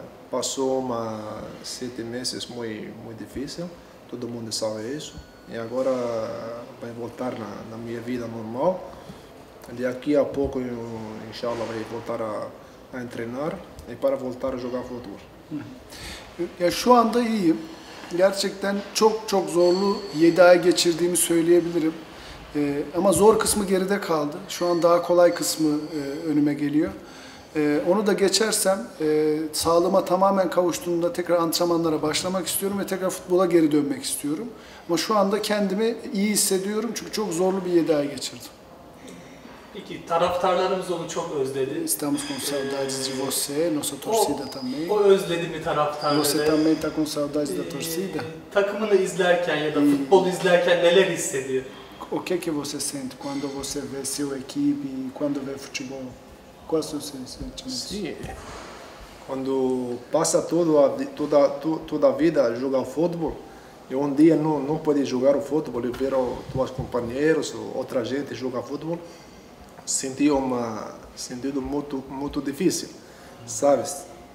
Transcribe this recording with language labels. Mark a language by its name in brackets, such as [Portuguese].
[Portuguese] Passou uma 7 meses muito, muito difícil, todo mundo sabe isso. E agora vai voltar na minha vida normal. De aqui a pouco, inshallah, vai voltar a treinar e para voltar a jogar futebol. [Turkish] Şu anda iyiyim. Gerçekten çok çok zorlu 7 ay geçirdiğimi söyleyebilirim. Ama zor kısmı geride kaldı. Şu an daha kolay kısmı önüme geliyor. Onu da geçersem, sağlığıma tamamen kavuştuğumda tekrar antrenmanlara başlamak istiyorum ve tekrar futbola geri dönmek istiyorum. Ama şu anda kendimi iyi hissediyorum çünkü çok zorlu bir 7 ay geçirdim. Peki, taraftarlarımız onu çok özledi. [Portuguese] Estamos con saudades de você, nossa torcida também. [Turkish] O özledi mi taraftarları? [Portuguese] Você também está com saudades da torcida? [Turkish] Takımını izlerken ya da futbol izlerken neler hissediyor? [Portuguese] O que você sente quando você vê seu equipe, quando vê futebol? Quais são os seus sentimentos? Sim. Quando passa toda a vida a jogar futebol, e um dia não pode jogar o futebol e ver os teus companheiros ou outra gente jogar futebol, senti um sentido muito difícil, sabes?